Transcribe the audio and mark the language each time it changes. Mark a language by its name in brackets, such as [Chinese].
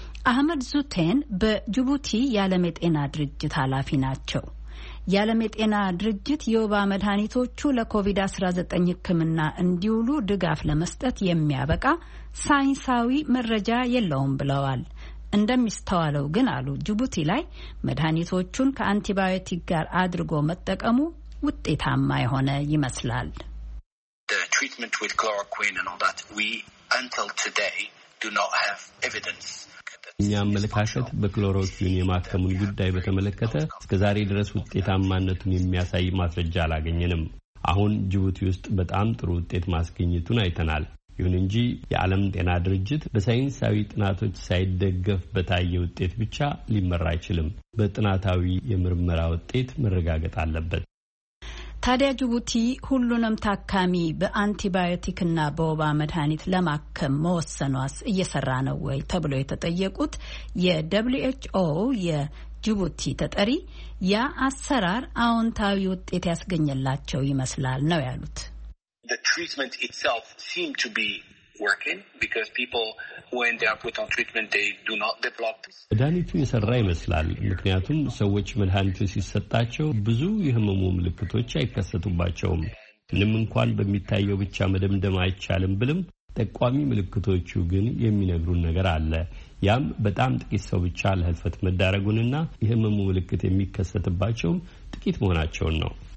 [Amharic] አህመድ ዙቴን በጅቡቲ የዓለም የጤና ድርጅት ኃላፊ ናቸው። የዓለም የጤና ድርጅት የወባ መድኃኒቶቹ ለኮቪድ-19 ህክምና እንዲውሉ ድጋፍ ለመስጠት የሚያበቃ ሳይንሳዊ መረጃ የለውም ብለዋል። እንደሚስተዋለው ግን አሉ፣ ጅቡቲ ላይ መድኃኒቶቹን ከአንቲባዮቲክ ጋር አድርጎ መጠቀሙ ውጤታማ የሆነ ይመስላል። [English] The treatment with chloroquine and all that we until today do not have evidence. [Amharic] እኛም መልካሸት በክሎሮኪን የማከሙን ጉዳይ በተመለከተ እስከዛሬ ድረስ ውጤታማነቱን የሚያሳይ ማስረጃ አላገኘንም። አሁን ጅቡቲ ውስጥ በጣም ጥሩ ውጤት ማስገኘቱን አይተናል። ይሁን እንጂ የዓለም ጤና ድርጅት በሳይንሳዊ ጥናቶች ሳይደገፍ በታየ ውጤት ብቻ ሊመራ አይችልም። በጥናታዊ የምርመራ ውጤት መረጋገጥ አለበት። ታዲያ ጅቡቲ ሁሉንም ታካሚ በአንቲባዮቲክና በወባ መድኃኒት ለማከም መወሰኗስ እየሰራ ነው ወይ ተብሎ የተጠየቁት የWHO የጅቡቲ ተጠሪ ያ አሰራር አዎንታዊ ውጤት ያስገኘላቸው ይመስላል ነው ያሉት። [English] The treatment itself seemed to be working because people who end up with on treatment they do not develop this. [Amharic] መድኃኒቱ የሰራ ይመስላል ምክንያቱም ሰዎች መድኃኒቱ ሲሰጣቸው ብዙ የህመሙ ምልክቶች አይከሰቱባቸውም። ምንም እንኳን በሚታየው ብቻ መደምደም አይቻልም ብልም ተቋሚ ምልክቶቹ ግን የሚነግሩን ነገር አለ። ያም በጣም ጥቂት ሰው ብቻ ለህልፈት መዳረጉንና የህመሙ ምልክት የሚከሰትባቸውም ጥቂት መሆናቸውን ነው።